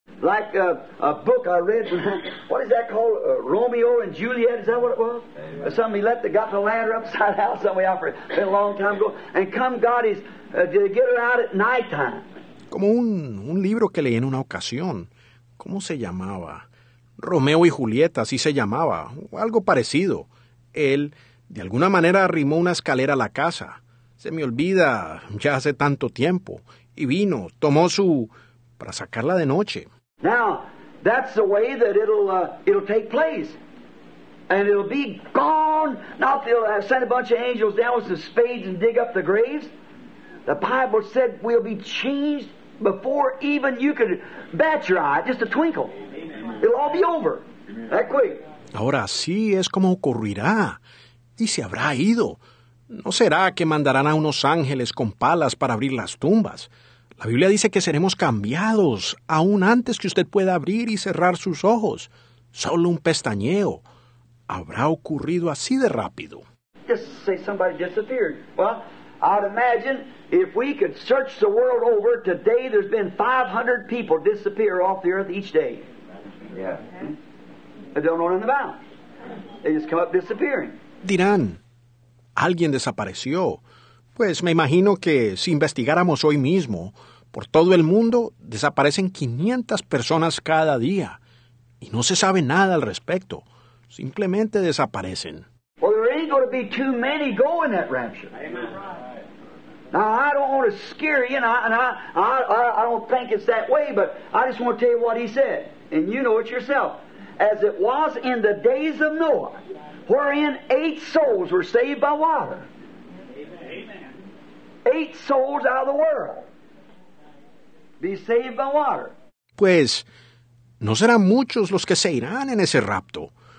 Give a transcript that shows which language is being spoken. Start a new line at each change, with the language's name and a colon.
English: Like a book I read, what is that called? Romeo and Juliet, is that what it was? Amen. Somebody left, they got the ladder upside down somewhere out for a long time ago, and come God is to get her out at night time.
Spanish: Como un libro que leí en una ocasión. ¿Cómo se llamaba? Romeo y Julieta, así se llamaba. O algo parecido. Él, de alguna manera, arrimó una escalera a la casa. Se me olvida, ya hace tanto tiempo. Y vino, tomó su... para sacarla de noche.
English: Now, that's the way that it'll take place. And it'll be gone. Now, they'll send a bunch of angels down with some spades and dig up the graves. The Bible said we'll be changed before even you could bat your eye, just a twinkle. It'll all be over. That quick.
Spanish: Ahora sí es como ocurrirá. Y se habrá ido. No será que mandarán a unos ángeles con palas para abrir las tumbas. La Biblia dice que seremos cambiados aún antes que usted pueda abrir y cerrar sus ojos. Solo un pestañeo. Habrá ocurrido así de rápido.
English: Just say somebody disappeared. Well, I'd imagine if we could search the world over today, there's been 500 people disappear off the earth each day. Yeah. They don't know nothing about. They just come up disappearing.
Spanish: Dirán, alguien desapareció. Pues me imagino que si investigáramos hoy mismo, por todo el mundo desaparecen 500 personas cada día. Y no se sabe nada al respecto. Simplemente desaparecen.
English: Well, there ain't going to be too many going that rapture. Amen. Now, I don't want to scare you, and I don't think it's that way, but I just want to tell you what he said, and you know it yourself. As it was in the days of Noah, wherein 8 souls were saved by water. Amen. 8 souls out of the world be saved by water.
Spanish: Pues, no serán muchos los que se irán en ese rapto.